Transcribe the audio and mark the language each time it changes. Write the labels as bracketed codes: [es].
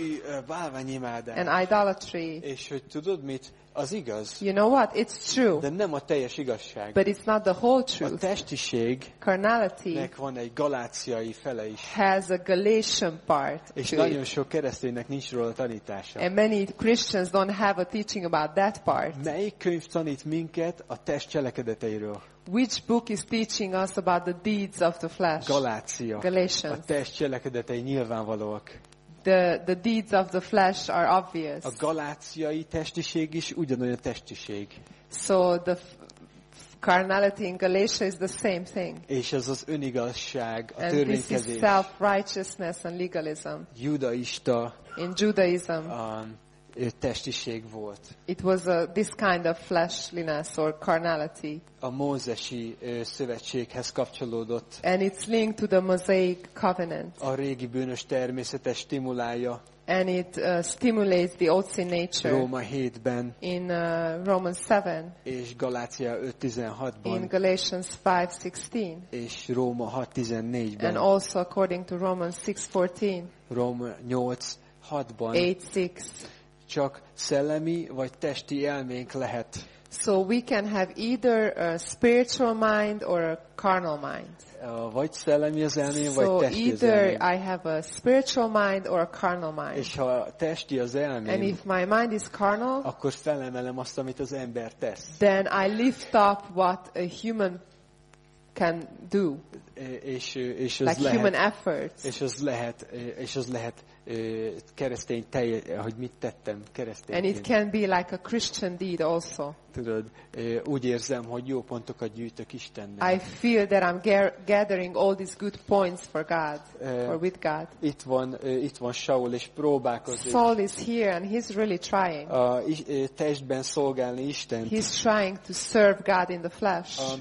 [hu] Új bálványimádás. [en] And idolatry. [hu] És hogy tudod mit? Az igaz. [en] You know what? It's true. [hu] De nem a teljes igazság. [en] But it's not the whole truth. [hu] A testiség. [en] Carnality. [hu] Nek van egy galáciai fele is. [en] Has a Galatian part. [hu] És nagyon sok kereszténynek nincs róla tanítása. [en] And many Christians don't have a teaching about that part. [hu] Melyik könyv tanít minket a test cselekedeteiről? [en] Which book is teaching us about the deeds of the flesh? [hu] Galácia. [en] Galatians. [hu] A test cselekedetei nyilvánvalóak. [en] The deeds of the flesh are obvious. [hu] A galáciai testiség is ugyanolyan testiség. [en] So the carnality in Galatia is the same thing. [hu] És ez az önigazság, a [en] törvénykezés. And this is self-righteousness and legalism. [hu] Judaista. [en] In Judaism. [hu] Testiség volt. [en] It was this kind of fleshliness or carnality. [hu] A mózesi szövetséghez kapcsolódott. [en] And it's linked to the Mosaic covenant. [hu] A régi bűnös természete stimulálja. [en] And it stimulates the old sin nature. [hu] Róma 7-ben. [en] In Romans 7. [hu] És Galácia 5:16-ban. [en] In Galatians 5:16. [hu] És Róma 6:14-ben. [en] And also according to Romans 6:14. [hu] Róma 8:6-ban. [en] 8:6. [hu] Csak szellemi vagy testi elménk lehet. [en] So we can have either a spiritual mind or a carnal mind. [hu] Vagy szellemi az elmém, vagy testi az elmém. [en] So either I have a spiritual mind or a carnal mind. [hu] És ha testi az elmém, [en] and if my mind is carnal, [hu] akkor felemelem azt, amit az ember tesz. [en] Then I lift up what a human can do. [hu] És [en] like [hu] lehet, [en] human efforts. [hu] És az lehet. Keresztény teljes, hogy mit tettem keresztényként. [en] And it can be like a Christian deed also. [hu] Tudod, úgy érzem, hogy jó pontokat gyűjtök Istennek. [en] I feel that I'm gathering all these good points for God, or with God. [hu] Itt van Saul és próbálkozik. [en] Saul is here and he's really trying. [hu] Testben szolgálni Istent. [en] He's trying to serve God in the flesh.